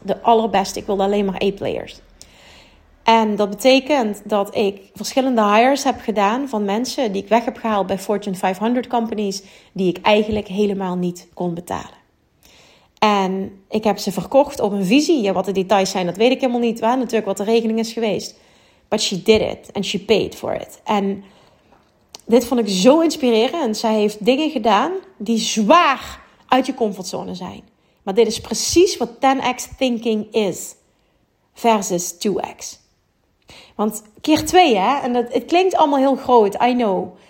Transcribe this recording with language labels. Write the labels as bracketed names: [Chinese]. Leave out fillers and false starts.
[Dutch] De allerbeste. Ik wilde alleen maar A-players. En dat betekent dat ik verschillende hires heb gedaan van mensen die ik weg heb gehaald bij Fortune 500 companies, die ik eigenlijk helemaal niet kon betalen. En ik heb ze verkocht op een visie. Ja, wat de details zijn, dat weet ik helemaal niet. Waar natuurlijk wat de rekening is geweest. [English] But she did it and she paid for it. [Dutch] En dit vond ik zo inspirerend. Zij heeft dingen gedaan die zwaar uit je comfortzone zijn. Maar dit is precies wat 10x thinking is. Versus 2x. Want keer 2, hè, en het klinkt allemaal heel groot, [English] I know.